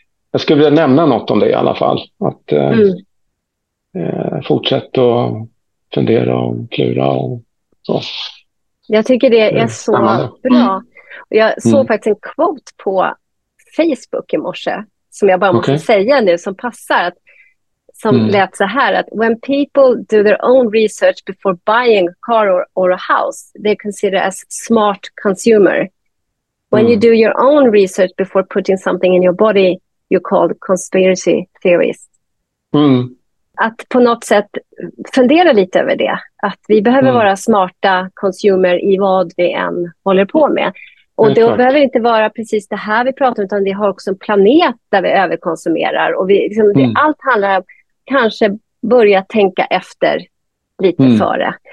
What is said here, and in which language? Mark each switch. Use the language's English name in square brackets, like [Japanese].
[Swedish] Jag skulle vilja nämna något om det i alla fall. Att fortsätta att fundera och klura och så. Jag tycker det är så bra. Jag såg faktiskt en quote på Facebook i morse som jag bara måste säga nu som passar. Som lät så här att [English] when people do their own research before buying a car or a house, they consider as smart consumer. When you do your own research before putting something in your body, you call conspiracy theorist. [Swedish] Att på något sätt fundera lite över det. Att vi behöver vara smarta konsumer i vad vi än håller på med. Och det behöver inte vara precis det här vi pratar om, utan vi har också en planet där vi överkonsumerar. Och allt handlar om kanske börja tänka efter lite före.